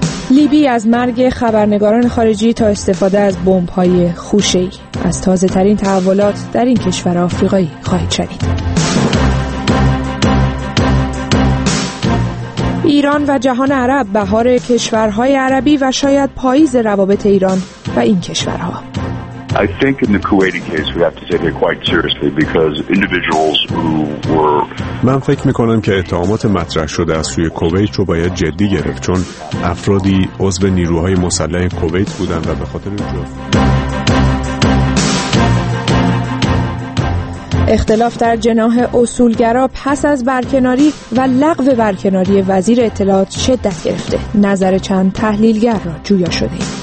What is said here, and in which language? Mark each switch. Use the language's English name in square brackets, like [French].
[Persian] لیبی از مرگ خبرنگاران خارجی تا استفاده از بمب‌های خوشه‌ای، از تازه ترین تحولات در این کشور آفریقایی خواهید شنید. ایران و جهان عرب، بهار کشورهای عربی و شاید پاییز روابط ایران و این کشورها. [English] I think in the Kuwaiti case we have to take it quite seriously because individuals who were [Persian] من فکر می‌کنم که اتهامات مطرح شده از سوی کویت رو باید جدی گرفت، چون افرادی عضو نیروهای مسلح کویت بودند و به خاطر اینجاست. اختلاف در جناح اصولگرا پس از برکناری و لغو برکناری وزیر اطلاعات شدت گرفته. نظر چند تحلیلگر را جویا شده‌ایم.